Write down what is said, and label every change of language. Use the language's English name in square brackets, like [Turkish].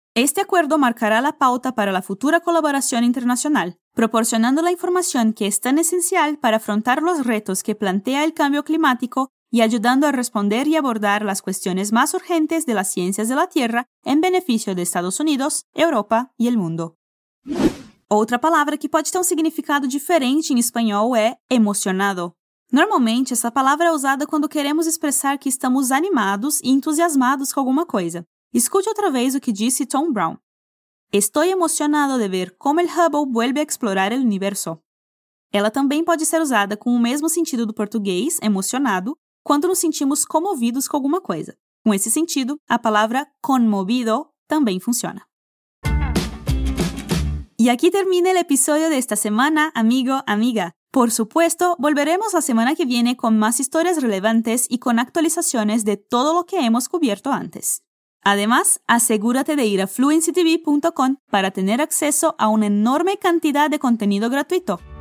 [Spanish] Este acuerdo marcará la pauta para la futura colaboración internacional, proporcionando la información que es tan esencial para afrontar los retos que plantea el cambio climático y ayudando a responder y abordar las cuestiones más urgentes de las ciencias de la Tierra en beneficio de Estados Unidos, Europa y el mundo. [Portuguese] Outra palavra que pode ter um significado diferente em espanhol é emocionado. Normalmente, essa palavra é usada quando queremos expressar que estamos animados e entusiasmados com alguma coisa. Escute outra vez o que disse Tom Brown. [Spanish] Estoy emocionado de ver como el Hubble vuelve a explorar el universo. [Portuguese] Ela também pode ser usada com o mesmo sentido do português, emocionado, quando nos sentimos comovidos com alguma coisa. Com esse sentido, a palavra conmovido também funciona. [Spanish] Y aquí termina el episodio de esta semana, amigo, amiga. Por supuesto, volveremos la semana que viene con más historias relevantes y con actualizaciones de todo lo que hemos cubierto antes. Además, asegúrate de ir a fluencytv.com para tener acceso a una enorme cantidad de contenido gratuito.